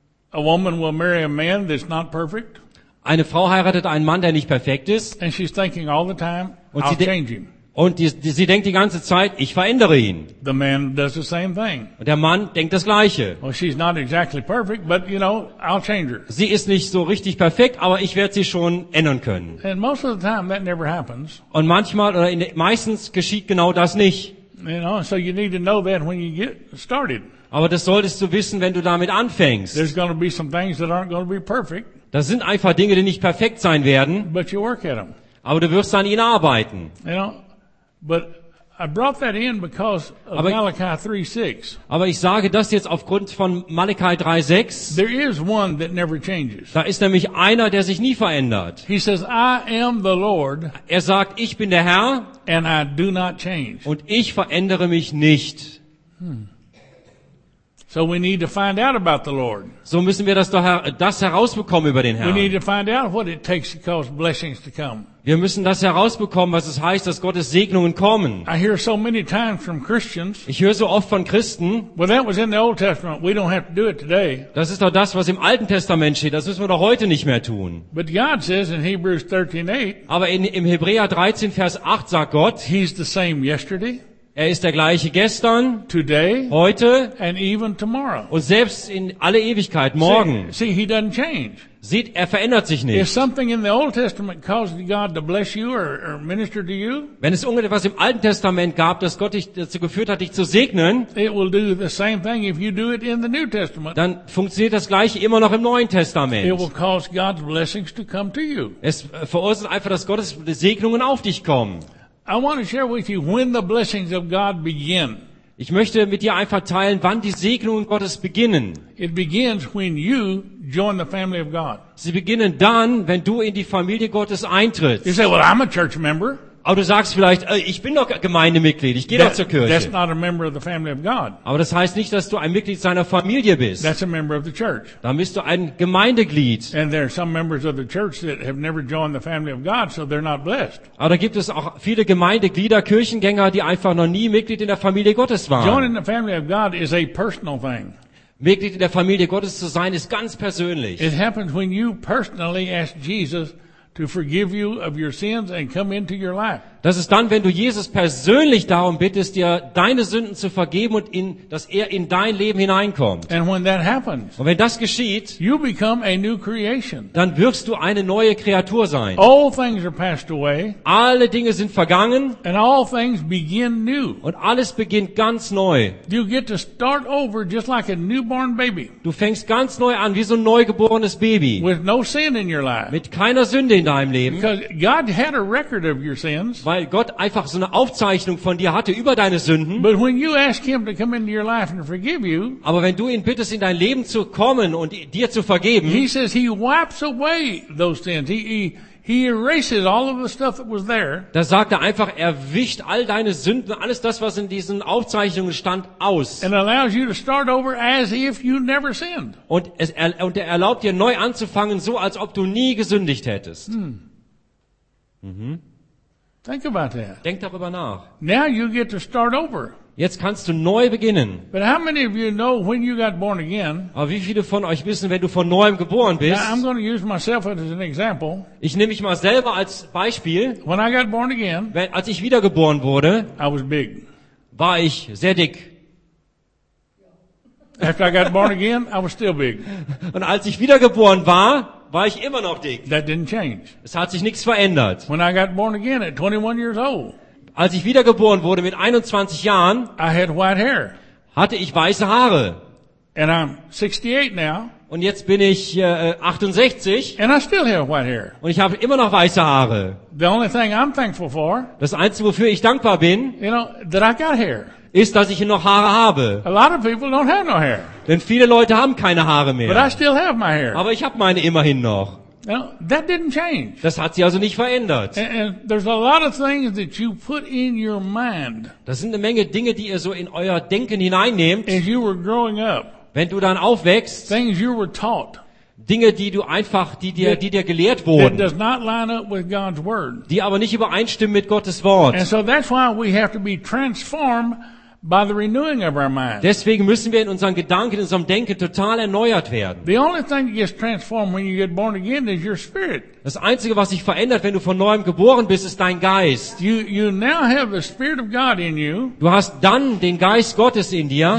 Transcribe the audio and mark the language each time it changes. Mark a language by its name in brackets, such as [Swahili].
[English] A woman will marry a man that's not perfect. [German] Eine Frau heiratet einen Mann, der nicht perfekt ist. [English] And she's thinking all the time, [German] und sie, sie denkt die ganze Zeit, ich verändere ihn. [English] The man does the same thing. [German] Und der Mann denkt das Gleiche. [English] Well, she's not exactly perfect, but, you know, I'll change her. [German] Sie ist nicht so richtig perfekt, aber ich werde sie schon ändern können. [English] And most of the time, that never happens. [German] Und manchmal oder meistens geschieht genau das nicht. [English] You know, so you need to know that when you get started. [German] Aber das solltest du wissen, wenn du damit anfängst. [English] There's going to be some things that aren't going to be perfect. [German] Das sind einfach Dinge, die nicht perfekt sein werden. [English] But you work at them. [German] Aber du wirst an ihnen arbeiten. [English] You know, but I brought that in because of Malachi 3:6. [German] Aber ich sage das jetzt aufgrund von Malachi 3:6. [English] There is one that never changes. [German] Da ist nämlich einer, der sich nie verändert. [English] He says, I am the Lord. [German] Er sagt, ich bin der Herr. [English] And I do not change. [German] Und ich verändere mich nicht. [English] So we need to find out about the Lord. [German] So müssen wir das herausbekommen über den Herrn. [English] We need to find out what it takes to cause blessings to come. [German] Wir müssen das herausbekommen, was es heißt, dass Gottes Segnungen kommen. [English] I hear so many times from Christians. [German] Ich höre so oft von Christen. [English] Well, that was in the Old Testament. We don't have to do it today. [German] Das ist doch das, was im Alten Testament steht. Das müssen wir doch heute nicht mehr tun. [English] But God says in Hebrews 13:8. [German] Aber im Hebräer 13, Vers 8 sagt Gott. [English] He's the same yesterday. [German] Er ist der gleiche gestern, [English] today, [German] heute [English] and even tomorrow. [German] Und selbst in alle Ewigkeit, morgen. [English] See, he doesn't change. [German] Sieht, er verändert sich nicht. [English] If something in the Old Testament caused God to bless you or minister to you, [German] wenn es irgendetwas im Alten Testament gab, das Gott dich dazu geführt hat, dich zu segnen, [English] it will do the same thing if you do it in the New Testament. [German] Dann funktioniert das gleiche immer noch im Neuen Testament. [English] It will cause God's blessings to come to you. [German] Es verursacht einfach, dass Gottes Segnungen auf dich kommen. [English] I want to share with you when the blessings of God begin. [German] Ich möchte mit dir einfach teilen, wann die Segnungen Gottes beginnen. [English] It begins when you join the family of God. [German] Sie beginnen dann, wenn du in die Familie Gottes eintrittst. [English] You say, well, I'm a church member. [German] Aber du sagst vielleicht, ich bin doch Gemeindemitglied, ich gehe doch zur Kirche. [English] That's not a member of the family of God. [German] Aber das heißt nicht, dass du ein Mitglied seiner Familie bist. [English] That's a member of the church. [German] Dann bist du ein Gemeindeglied. [English] And there are some members of the church that have never joined the family of God, so they're not blessed. [German] Aber da gibt es auch viele Gemeindeglieder, Kirchengänger, die einfach noch nie Mitglied in der Familie Gottes waren. [English] Joining the family of God is a personal thing. [German] Mitglied in der Familie Gottes zu sein ist ganz persönlich. [English] It happens when you personally ask Jesus to forgive you of your sins and come into your life. [German] Das ist dann, wenn du Jesus persönlich darum bittest, dir deine Sünden zu vergeben und dass er in dein Leben hineinkommt. [English] And when that happens, [German] und wenn das geschieht, [English] you become a new creation. [German] Dann wirst du eine neue Kreatur sein. [English] All things are passed away. [German] Alle Dinge sind vergangen. [English] And all things begin new. [German] Und alles beginnt ganz neu. [English] You get to start over just like a newborn baby. [German] Du fängst ganz neu an, wie so ein neugeborenes Baby. [English] With no sin in your life. [German] Mit keiner Sünde in deinem Leben. [English] Because God had a record of your sins. [German] Weil Gott einfach so eine Aufzeichnung von dir hatte über deine Sünden. [English] But when you ask him to come into your life and forgive you, [German] aber wenn du ihn bittest, in dein Leben zu kommen und dir zu vergeben, [English] he says he wipes away those sins. He erases all of the stuff that was there. [German] Da sagt er einfach, er wischt all deine Sünden, alles das, was in diesen Aufzeichnungen stand, aus. [English] And allows you to start over as if you never sinned. [German] Und er erlaubt dir, neu anzufangen, so als ob du nie gesündigt hättest. [English] Think about that. [German] Denk darüber nach. [English] Now you get to start over. [German] Jetzt kannst du neu beginnen. [English] But how many of you know when you got born again? [German] Aber wie viele von euch wissen, wenn du von neuem geboren bist? [English] Now I'm going to use myself as an example. [German] Ich nehme mich mal selber als Beispiel. [English] When I got born again, [German] als ich wiedergeboren wurde, [English] I was big. [German] War ich sehr dick. [English] After I got born again, I was still big. [German] Und als ich wiedergeboren war, war ich immer noch dick. [English] That didn't change. [German] Es hat sich nichts verändert. [English] When I got born again at 21 years old, [German] als ich wiedergeboren wurde mit 21 Jahren, [English] I had white hair. [German] Hatte ich weiße Haare. [English] And I'm 68 now. [German] Und jetzt bin ich 68. [English] And I still have white hair. [German] Und ich habe immer noch weiße Haare. [English] The only thing I'm thankful for, [German] das Einzige, wofür ich dankbar bin, [English] you know, that I got hair. [German] Ist, dass ich noch Haare habe. [English] A lot of people don't have no hair. [German] Denn viele Leute haben keine Haare mehr. [English] But I still have my hair. [German] Aber ich habe meine immerhin noch. [English] Now, that didn't change. [German] Das hat sich also nicht verändert. [English] And there's a lot of things that you put in your mind. [German] Das sind eine Menge Dinge, die ihr so in euer Denken hineinnehmt. [English] As you were growing up, [German] wenn du dann aufwächst, [English] things you were taught, [German] Dinge, die du einfach, die dir gelehrt wurden, [English] that does not line up with God's word. [German] Die aber nicht übereinstimmen mit Gottes Wort. [English] And so that's why we have to be transformed by the renewing of our mind. [German] Deswegen müssen wir in unseren Gedanken, in unserem Denken total erneuert werden. [English] The only thing that gets transformed when you get born again is your spirit. [German] Das Einzige, was sich verändert, wenn du von neuem geboren bist, ist dein Geist. [English] You now have the spirit of God in you. [German] Du hast dann den Geist Gottes in dir.